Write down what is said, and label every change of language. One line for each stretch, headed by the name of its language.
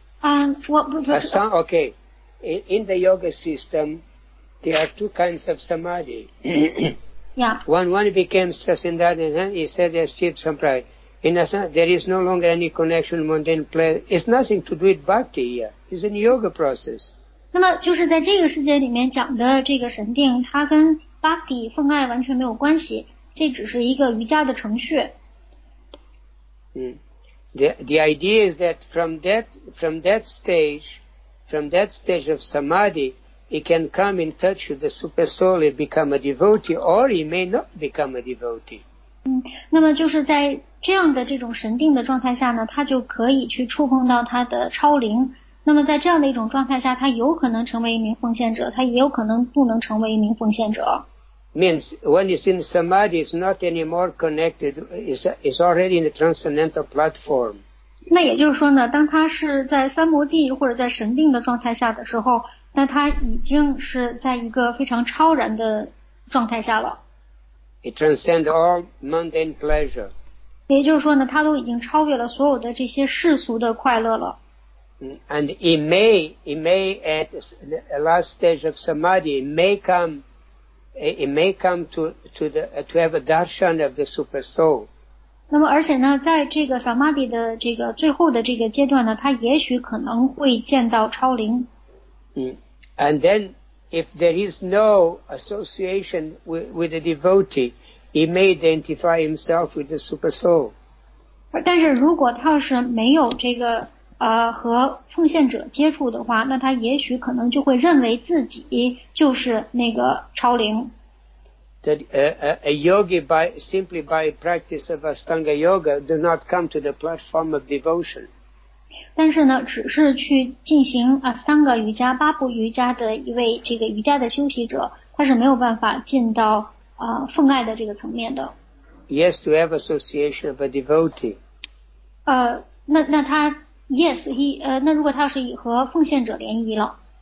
English: In the yoga system, there are two kinds of samadhi. Yeah. One became transcendental, and then he said he achieved samprayat. In asana, there is no longer any connection, mundane pleasure. It's nothing to do with bhakti here. It's in yoga process.
Chinese: 那么就是在这个世界里面讲的这个神定，它跟 bhakti 奉爱完全没有关系。这只是一个瑜伽的程序。
English: The idea is that from that stage of samadhi, he can come in touch with the super soul and become a devotee, or he may not become a devotee.
Chinese: 那么就是在这样的这种神定的状态下呢，他就可以去触碰到他的超灵。那么在这样的一种状态下，他有可能成为一名奉献者，他也有可能不能成为一名奉献者。
English: Means when it's in samadhi, it's not anymore connected. It's already in the transcendental platform.
Chinese: 那也就是说呢，当他是在三摩地或者在神定的状态下的时候，那他已经是在一个非常超然的状态下了。
English: It transcends all mundane pleasure.
Chinese: 也就是说呢，他都已经超越了所有的这些世俗的快乐了。
English: And he may at the last stage of samadhi may come. It may come to have a darshan of the super soul.
Chinese: 那么，而且呢，在这个 samadhi 的这个最后的这个阶段呢，他也许可能会见到超灵。嗯，
English: And then, if there is no association with a devotee, he may identify himself with the super soul.
Chinese: 但是如果他是没有这个和奉献者接触的话，那他也许可能就会认为自己就是那个超灵。
English: That a yogi simply by practice of Ashtanga Yoga do not come to the platform of devotion.
Chinese: 但是呢，只是去进行 Ashtanga 瑜伽、八步瑜伽的一位这个瑜伽的修习者，他是没有办法进到奉爱的这个层面的。
English: Yes, to have association of a devotee.
Chinese: 那如果他是和奉献者联谊了。